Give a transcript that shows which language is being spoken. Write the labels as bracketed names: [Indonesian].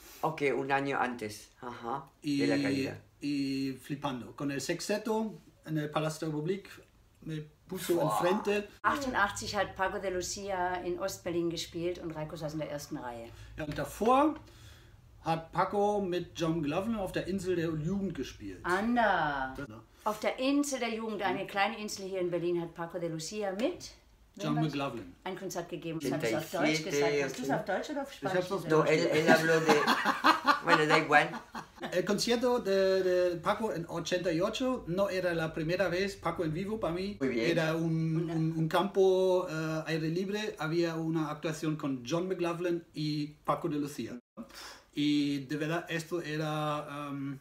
[Spanish] Ok, un año antes. Ajá, y, de la y flipando. Con el Sexteto en el Palast der Republik me puso enfrente. [German] 88 hat Paco de Lucía in Ost-Berlin gespielt und Raiko saß in der ersten Reihe. Ja, und davor hat Paco mit John Glover auf der Insel der Jugend gespielt. Anda! Auf der Insel der Jugend, eine kleine Insel hier in Berlin, hat Paco de Lucía mit John McLaughlin ein Konzert gegeben. Das habe ich auf Deutsch gesagt. Hast du es auf Deutsch oder auf Spanisch gesagt? [Spanish] No, él habló de... Bueno, da igual. El concierto de Paco en 88 no era la primera vez Paco en vivo para mí. Era un campo aire libre. Había una actuación con John McLaughlin y Paco de Lucía. Y de verdad, esto era...